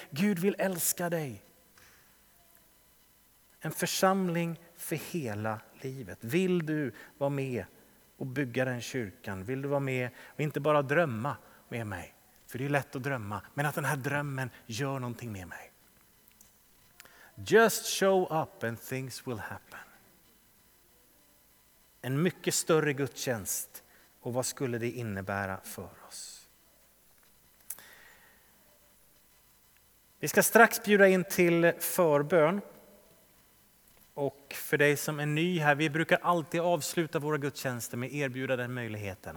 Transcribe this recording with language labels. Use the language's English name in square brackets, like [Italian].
[Swedish] Gud vill älska dig. En församling för hela livet. Vill du vara med och bygga den kyrkan? Vill du vara med och inte bara drömma med mig? För det är lätt att drömma, men att den här drömmen gör någonting med mig. [English] Just show up and things will happen. [Swedish] En mycket större gudstjänst, och vad skulle det innebära för oss? Vi ska strax bjuda in till förbön. Och för dig som är ny här, vi brukar alltid avsluta våra gudstjänster med erbjuda den möjligheten.